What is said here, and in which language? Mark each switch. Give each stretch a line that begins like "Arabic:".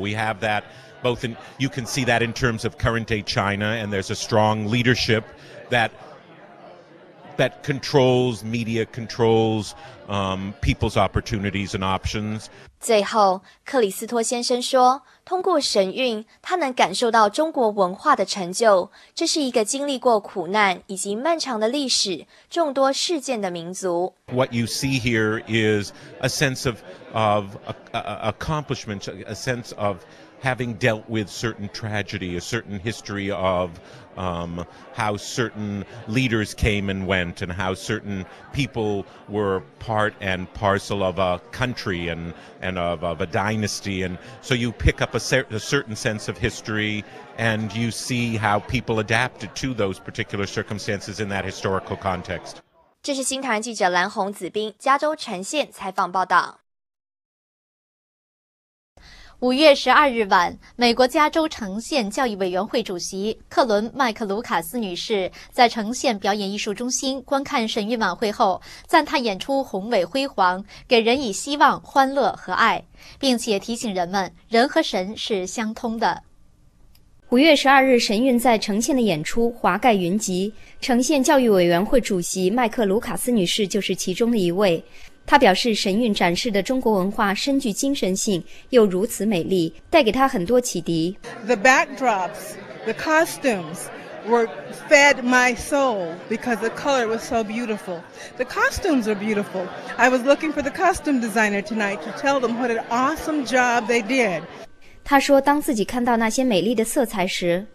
English: We have that both in, you can see that in terms of current day China and there's a strong leadership that controls media, controls people's opportunities and options.
Chinese: 最后，克里斯托先生说，通过神韵，他能感受到中国文化的成就。这是一个经历过苦难以及漫长的历史、众多事件的民族。
English: What you see here is a sense of accomplishment, a sense of having dealt with certain tragedy, a certain history of how certain leaders came and went and how certain people were part and parcel of a country and of a dynasty. And so you pick up a certain sense of history and you see how people adapted to those particular circumstances in that historical context.
Chinese: 这是新唐人记者蓝红子斌加州橙县采访报道。 5月12日晚，美国加州橙县教育委员会主席克伦·麦克卢卡斯女士在橙县表演艺术中心观看神韵晚会后，赞叹演出宏伟辉煌，给人以希望、欢乐和爱，并且提醒人们，人和神是相通的。 5月12日神韵在橙县的演出华盖云集，橙县教育委员会主席麦克卢卡斯女士就是其中的一位。他表示，神韵展示的中国文化深具精神性，又如此美丽，带给他很多启迪。
English: The backdrops, the costumes were fed my soul because the color was so beautiful. The costumes are beautiful. I was looking for the costume designer tonight to tell them what an awesome job they did.
Chinese: 他说，当自己看到那些美丽的色彩时